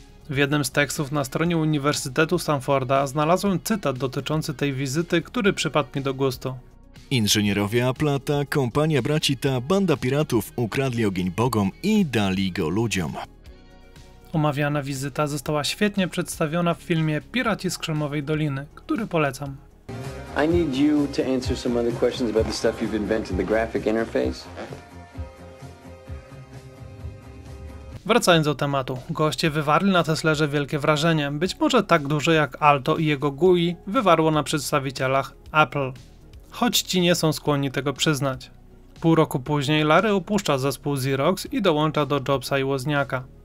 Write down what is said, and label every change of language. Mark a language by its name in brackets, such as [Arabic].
[Polish] W jednym z tekstów na stronie Uniwersytetu Stanforda znalazłem cytat dotyczący tej wizyty, który przypadł mi do gustu. Inżynierowie Apple'a, ta kompania braci, ta banda piratów ukradli ogień bogom i dali go ludziom. Omawiana wizyta została świetnie przedstawiona w filmie Piraci z Krzemowej Doliny, który polecam. [English] I need you to answer some other questions about the stuff you've invented, the graphic interface. [Polish] Wracając do tematu, goście wywarli na Teslerze wielkie wrażenie, być może tak duże jak Alto i jego GUI wywarło na przedstawicielach Apple. Choć ci nie są skłonni tego przyznać. Pół roku później Larry opuszcza zespół Xerox i dołącza do Jobsa i Wozniaka.